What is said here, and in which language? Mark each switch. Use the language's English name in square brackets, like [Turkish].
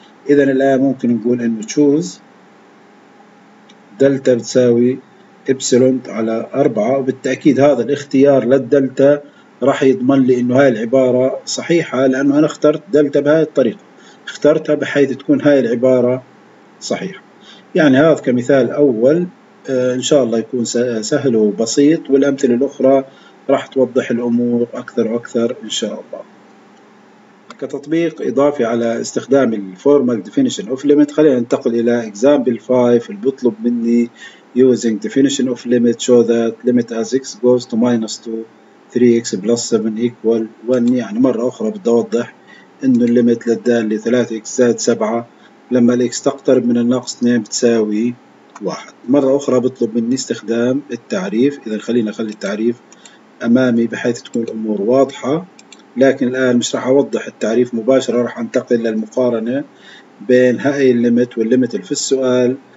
[Arabic] إذا الآن ممكن نقول إنه choose دلتا بتساوي إبسلون على 4، وبالتأكيد هذا الاختيار للدلتا راح يضمن لي إنه هاي العبارة صحيحة، لأنه أنا اخترت دلتا بهاي الطريقة، اخترتها بحيث تكون هاي العبارة صحيحة. يعني هذا كمثال أول، إن شاء الله يكون سهل وبسيط، والأمثلة الأخرى راح توضح الأمور أكثر وأكثر إن شاء الله. كتطبيق إضافي على استخدام الفورمال ديفينيشن اوف ليميت، خلينا ننتقل إلى [English] example 5 [Arabic] اللي بطلب مني [English] using definition of limit show that limit as x goes to minus 2 3x plus 7 equal 1. [Arabic] يعني مرة أخرى بدي أوضح إنه الليميت للدالة 3x زائد 7 لما الـ x تقترب من الناقص 2 بتساوي 1. مرة أخرى بطلب مني استخدام التعريف، إذا خلينا أخلي التعريف أمامي بحيث تكون الأمور واضحة، لكن الآن مش راح أوضح التعريف مباشرة، راح أنتقل للمقارنة بين هاي الليمت والليمت اللي في السؤال.